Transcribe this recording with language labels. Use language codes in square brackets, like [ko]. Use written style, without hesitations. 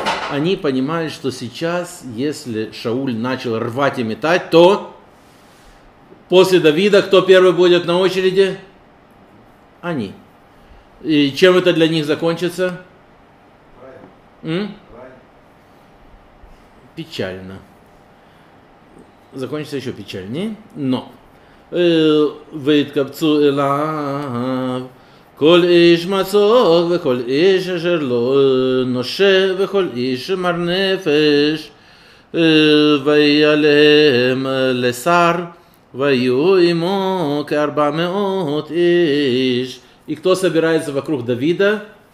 [ru] Они понимают, что сейчас, если Шауль начал рвать и метать, то после Давида кто первый будет на очереди? Они. И чем это для них закончится? Печально. Закончится еще печальнее, но... [he] ויתקבצו אליו כל איש מצוק וכל איש אשר לא נושה וכל איש מר נפש ויעלם לשר ויהיו עמו כארבע מאות איש. [ru] И кто собирается вокруг Давида?